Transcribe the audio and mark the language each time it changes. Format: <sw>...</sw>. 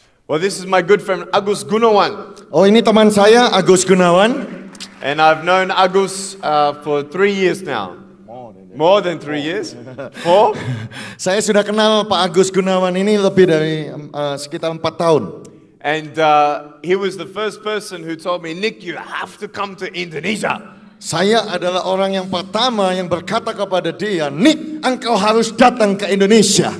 <en>Well, this is my good friend Agus Gunawan.</en> <id>Oh, ini teman saya Agus Gunawan.</id> <en>And I've known Agus for 3 years now. More than three years? Four?</en> <id>Saya sudah kenal Pak Agus Gunawan ini lebih dari sekitar 4 tahun.</id> <en>And he was the first person who told me, Nick, you have to come to Indonesia.</en> <id>Saya adalah orang yang pertama yang berkata kepada dia, Nick, engkau harus datang ke Indonesia.</id>